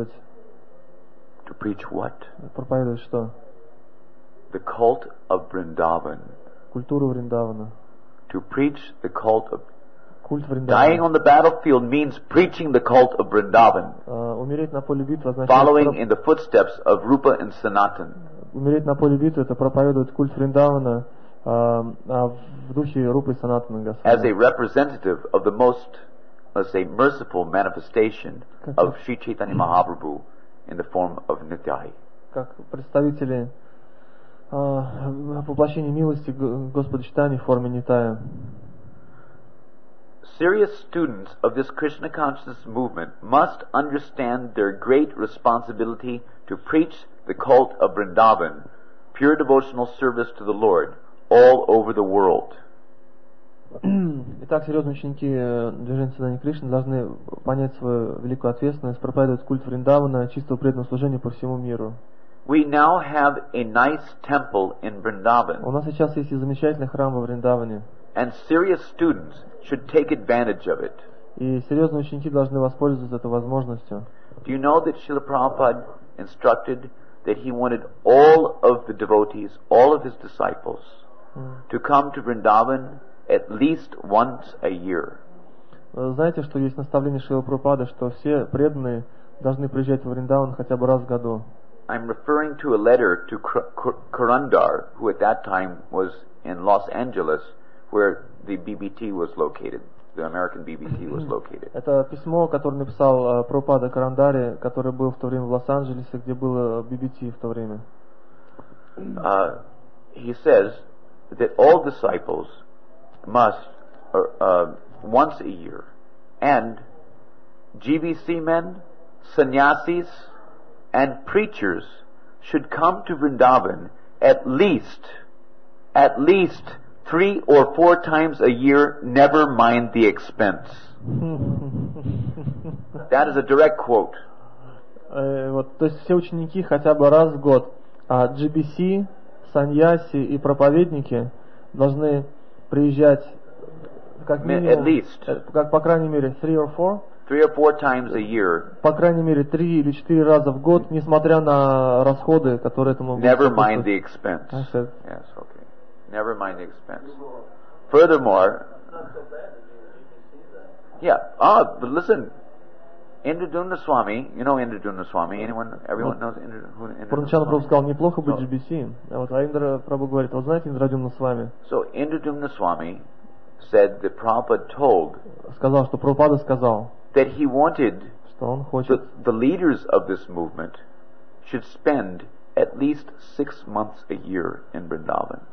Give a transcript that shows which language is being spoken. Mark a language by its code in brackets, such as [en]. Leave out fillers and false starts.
[ru] проповедовать [en] to preach what? [ru] Проповедовать что? [en] The cult of Vrindavan. [ru] Культуру Вриндавана. [en] To preach the cult of [ru] Культ [en] dying on the battlefield means preaching the cult of Vrindavan. [ru] Умереть на поле битвы значит [en] following in the footsteps of Rupa and Sanatan. [ru] Умереть на поле битвы это проповедовать культ Вриндавана в духе Рупы и Санатана Госвами. [en] As a representative of the most, let's say, merciful manifestation of Sri Chaitanya Mahaprabhu in the form of Nityai. [ru] Как представители воплощения милости Господа Чайтаньи в форме Нитая. [en] Serious students of this Krishna consciousness movement must understand their great responsibility to preach the cult of Vrindavan, pure devotional service to the Lord, all over the world. [ru] Итак, серьезные ученики движения сознания Кришны должны понять свою великую ответственность, проповедовать культ Вриндавана, чистого преданного служения по всему миру. [en] We now have a nice temple in Vrindavan. [ru] У нас сейчас есть замечательный храм во Вриндаване. [en] And serious students should take advantage of it. [ru] И серьезные ученики должны воспользоваться этой возможностью. [en] Do you know that Srila Prabhupada instructed that he wanted all of the devotees, all of his disciples, to come to Vrindavan at least once a year? [ru] Знаете, что есть наставление Шрилы Прабхупады, что все преданные должны приезжать в Вриндаван хотя бы раз в году. [en] I'm referring to a letter to Kurandar, who at that time was in Los Angeles, where the BBT was located, the American BBT was located. [ru] Это письмо, которое написал Прабхупада Карандаре, который был в то время в Лос-Анджелесе, где было BBT в то время. [en] He says that all disciples must once a year, and GBC men, sannyasis, and preachers should come to Vrindavan at least 3 or 4 times a year, never mind the expense. That is a direct quote. [ru] Вот, то есть все ученики хотя бы раз в год, а GBC, саньяси и проповедники должны приезжать как минимум, [en] at least, [ru] как по крайней мере [en] 3 or 4. 3 or 4 times a year. [ru] По крайней мере 3 или 4 раза в год, несмотря на расходы, которые этому. [en] Never mind the expense. Yes, okay. Never mind the expense. Furthermore, but listen, Indraduna Swami, you know Indraduna Swami. Anyone, everyone knows Indraduna. [ru] Поначалу Прабху сказал неплохо быть GBC, а вот Индра Прабху говорит, вы знаете Индрадуна Свами. [en] So Indraduna Swami said the Prabhupada told. [ru] Сказал, что Прабхупада сказал. [en] That he wanted the leaders of this movement should spend at least 6 months a year in Vrindavan.